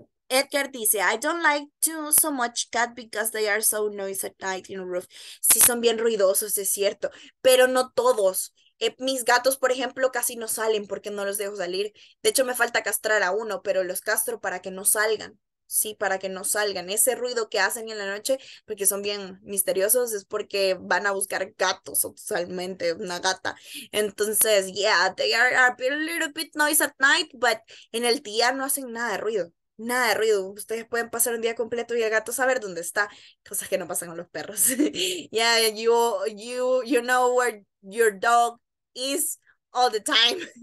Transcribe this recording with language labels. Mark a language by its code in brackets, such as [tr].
[en] Edgar dice, I don't like to so much cat because they are so noisy at night in the roof. [es] Sí, son bien ruidosos, es cierto, pero no todos. Mis gatos, por ejemplo, casi no salen porque no los dejo salir. De hecho, me falta castrar a uno, pero los castro para que no salgan. Sí, para que no salgan. Ese ruido que hacen en la noche, porque son bien misteriosos, es porque van a buscar gatos, totalmente una gata. Entonces, [en] yeah, they are a little bit noisy at night, but [es] en el día no hacen nada de ruido. Nada de ruido. Ustedes pueden pasar un día completo y el gato saber dónde está. Cosas que no pasan con los perros. [en] Yeah, you know where your dog is all the time.